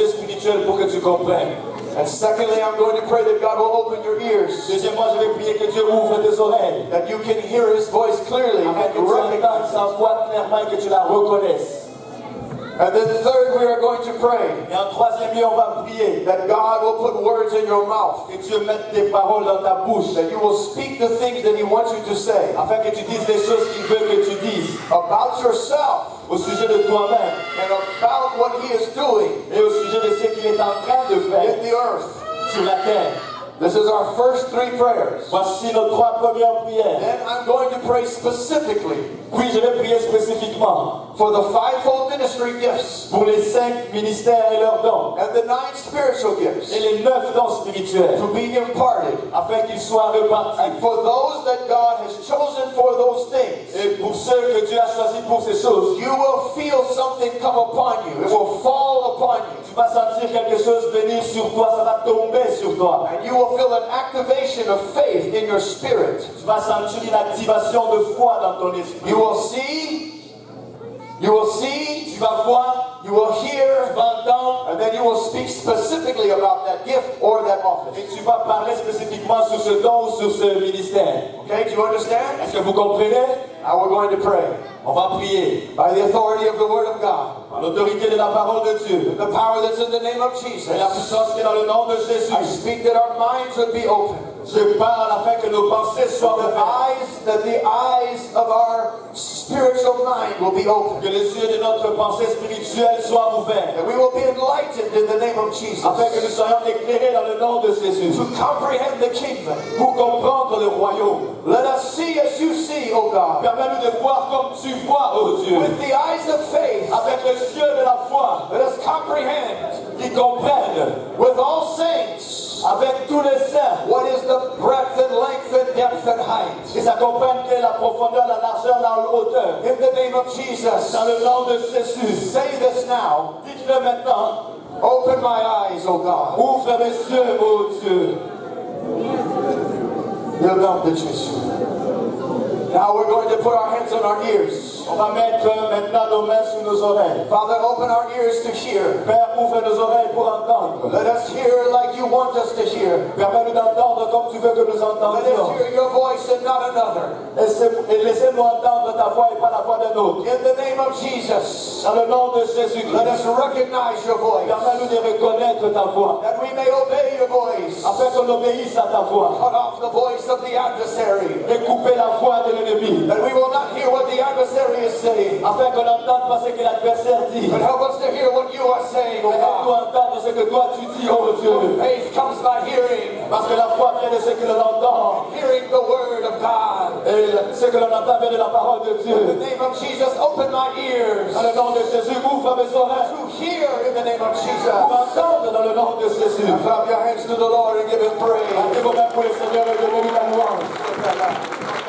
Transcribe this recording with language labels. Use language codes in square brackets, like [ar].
[en] And secondly, I'm going to pray that God will open your ears. [fr] Deuxièmement, je vais prier que Dieu ouvre tes oreilles. [en] That you can hear His voice clearly. [fr] Afin que tu entends sa voix clairement et que tu la reconnaisses. [en] And then third, we are going to pray. [fr] Et en troisième lieu, on va prier. [en] That God will put words in your mouth. [fr] Que Dieu mette des paroles dans ta bouche. [en] That you will speak the things that He wants you to say. [fr] Afin que tu dises les choses qu'il veut que tu dises. [en] About yourself. [fr] Au sujet de toi-même. [en] And about what He is doing. [fr] Et au sujet de ce qu'il est en train de faire. [en] In the earth. [fr] Sur la terre. [en] This is our first three prayers. [fr] Voici nos trois premières prières. [en] Then I'm going to pray specifically. [fr] Puis je vais prier spécifiquement. [en] For the fivefold ministry gifts. [fr] Pour les cinq ministères et leurs dons. [en] And the nine spiritual gifts. [fr] Et les neuf dons spirituels. [en] To be imparted. [fr] Afin qu'ils soient repartis. [en] And for those that God has chosen for those things. [fr] Et pour ceux que Dieu a choisi pour ces choses. [en] You will feel something come upon you. It will fall upon you. [fr] Tu vas sentir quelque chose venir sur toi. Ça va tomber sur toi. [en] And you will feel an activation of faith in your spirit. [fr] Tu vas sentir une activation de foi dans ton esprit. [en] You will see, [fr] tu vas voir, [en] you will hear, [fr] tu vas entendre, [en] and then you will speak specifically about that gift or that office. [fr] Et tu vas parler spécifiquement sur ce don ou sur ce ministère. [en] Okay, do you understand? [fr] Est-ce que vous comprenez? [en] Now we're going to pray. [fr] On va prier. [en] By the authority of the word of God. [fr] Par l'autorité de la parole de Dieu. [en] The power that's in the name of Jesus. [fr] Et la puissance qui est dans le nom de Jésus. [en] I speak that our minds would be open. [fr] Je parle afin que nos pensées soient [en] ouvertes. That the eyes of our spiritual mind will be open. [fr] Que les yeux de notre pensée spirituelle soient ouverts. [en] That we will be enlightened in the name of Jesus. [fr] Afin que nous soyons éclairés dans le nom de Jésus. [en] To comprehend the kingdom. [fr] Pour comprendre le royaume. [en] Let us see as you see, O God. [fr] Permets-nous de voir comme tu vois, O Dieu. [en] With the eyes of faith. [fr] Avec les yeux de la foi. [en] Let us comprehend. [fr] Qui comprennent. [en] With all saints. [fr] Avec tous les saints. [en] What is the breadth and length and depth and height? [fr] Qui s'accompagne la profondeur, la largeur, la hauteur. [en] In the name of Jesus. [fr] Dans le nom de Jésus. [en] Say this now. [fr] Dites-le maintenant. [en] Open my eyes, O God. [fr] Ouvre mes yeux, O Dieu. Le nom de Jésus. [en] Now we're going to put our hands on our ears. [fr] On va mettre maintenant nos mains sur nos oreilles. [en] Father, open our ears to hear. [fr] Père, ouvre nos oreilles pour entendre. [en] Let us hear like you want us to hear. [fr] Permets-nous d'entendre comme tu veux que nous entendions. [en] Let us hear your voice and not another. [fr] Et laissez-nous entendre ta voix et pas la voix d'un autre. [en] In the name of Jesus. [fr] Dans le nom de Jésus-Christ. [en] Let us recognize your voice. [fr] Permets-nous de reconnaître ta voix. [en] That we may obey your voice. [fr] Afin qu'on obéisse à ta voix. [en] Cut off the voice of the adversary. [fr] Et couper la voix de l'ennemi. [en] That we will not hear what the adversary [fr] afin qu'on entende pas ce que l'adversaire dit. [en] But help us to hear what you are saying, O God. [fr] Mais aide-nous à entendre ce que toi tu dis, O Dieu. [en] Faith comes by hearing. [fr] Parce que la foi vient de ce que l'on entend. [en] Hearing the word of God. [fr] Et ce que l'on entend vient de la parole de Dieu. [en] In the name of Jesus, open my ears. [fr] Dans le nom de Jésus, ouvre mes oreilles. [en] To hear in the name of Jesus. [fr] Pour entendre dans le nom de Jésus. [en] And clap your hands to the Lord and give Him praise. [fr] Mettez vos mains pour le Seigneur et donnez-lui la louange.